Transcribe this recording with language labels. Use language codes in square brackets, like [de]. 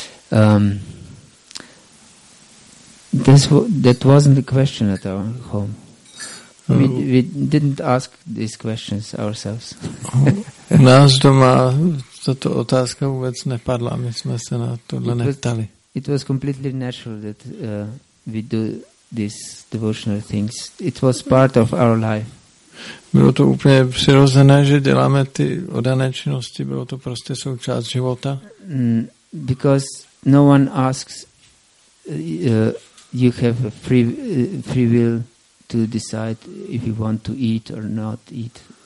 [en] That wasn't the question at our home. We didn't ask these questions ourselves. [cs] Nás doma tato otázka vůbec nepadla, my jsme se na tohle neptali. [en] It was completely natural that we do these devotional things. It was part of our life. [cs] Bylo to úplně přirozené, že děláme ty odané činnosti, bylo to prostě součást života. [en] Because no one asks you have a free will to decide if you want to eat or not eat.